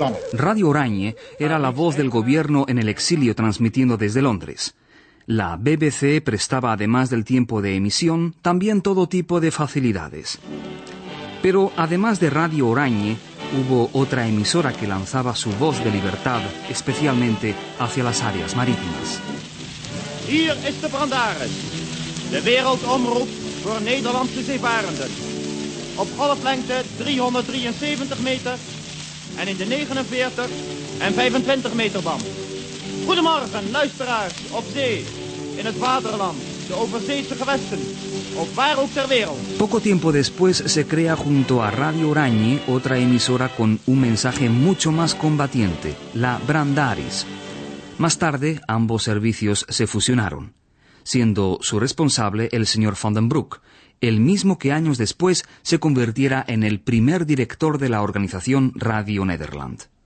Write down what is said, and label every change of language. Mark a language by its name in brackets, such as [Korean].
[Spanish] Radio Oranje era la voz del gobierno en el exilio transmitiendo desde Londres. La BBC prestaba, además del tiempo de emisión, también todo tipo de facilidades. Pero además de Radio Oranje, hubo otra emisora que lanzaba su voz de libertad, especialmente hacia las áreas marítimas. [Dutch] Hier is de Brandaris, de wereldomroep voor Nederlandse zeevarenden. Op golflengte 373 meter. En in de 49 en 25 meter band. Goedemorgen, luisteraars op zee, in het vaderland, de overzeese gewesten, of waar ook ter wereld. [Spanish] Poco tiempo después se crea junto a Radio Oranje otra emisora con un mensaje mucho más combatiente, la Brandaris. Más tarde, ambos servicios se fusionaron, siendo su responsable el señor Van den Broek, el mismo que años después se convirtiera en el primer director de la organización Radio Nederland.